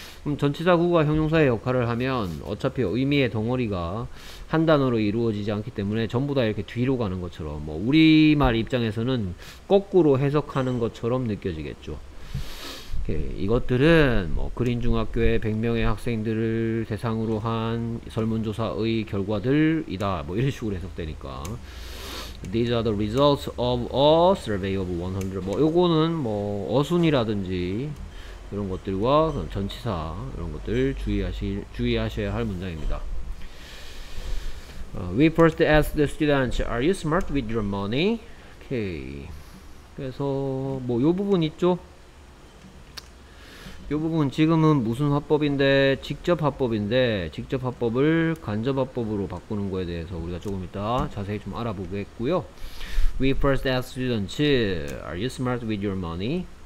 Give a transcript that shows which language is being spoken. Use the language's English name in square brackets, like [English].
[Korean] 그럼 전치사 구가 형용사의 역할을 하면 어차피 의미의 덩어리가 한 단어로 이루어지지 않기 때문에 전부 다 이렇게 뒤로 가는 것처럼 뭐 우리말 입장에서는 거꾸로 해석하는 것처럼 느껴지겠죠. 오케이. 이것들은 뭐 그린 중학교의 100명의 학생들을 대상으로 한 설문조사의 결과들이다. 뭐 이런 식으로 해석되니까. [English] These are the results of a survey of 100. [Korean] 뭐, 요거는, 뭐, 어순이라든지, 이런 것들과 전치사, 이런 것들 주의하셔야 할 문장입니다. [English] We first asked the students, Are you smart with your money? [Korean] 오케이. 그래서, 뭐, 요 부분 있죠? 요 부분 지금은 무슨 화법인데, 직접 화법인데, 직접 화법을 간접 화법으로 바꾸는 거에 대해서 우리가 조금 이따 자세히 좀 알아보겠고요. [English] We first asked students, Are you smart with your money?